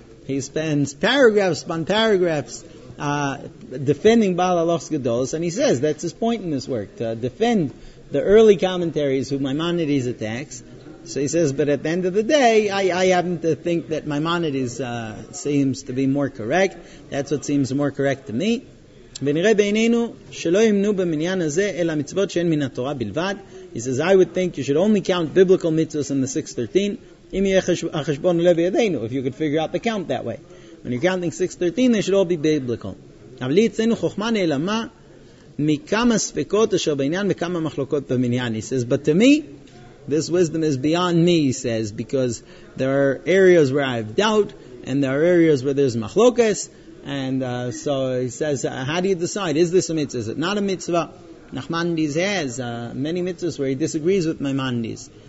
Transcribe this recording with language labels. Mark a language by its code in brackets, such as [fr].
[en] He spends paragraphs upon paragraphs defending Baal Halachos Gedolos, and he says, that's his point in this work, to defend the early commentaries who Maimonides attacks. So he says, but at the end of the day, I happen to think that Maimonides seems to be more correct. That's what seems more correct to me. [he] ונראה בעינינו שלא ימנו במניין הזה אלא מצוות שאין מן התורה בלבד. [en] He says, I would think you should only count biblical mitzvahs in the 613. [he] אם יהיה החשבון לב ידינו, [en] if you could figure out the count that way. When you're counting 613, they should all be biblical. [he] אבל יצאנו חוכמה נעלמה מכמה ספקות אשר בעניין וכמה מחלוקות במניין. [en] He says, but to me, this wisdom is beyond me, he says, because there are areas where I have doubt, and there are areas where there's machlokas, and so he says, how do you decide? Is this a mitzvah? Is it not a mitzvah? Nachmanides has many mitzvahs where he disagrees with Maimonides.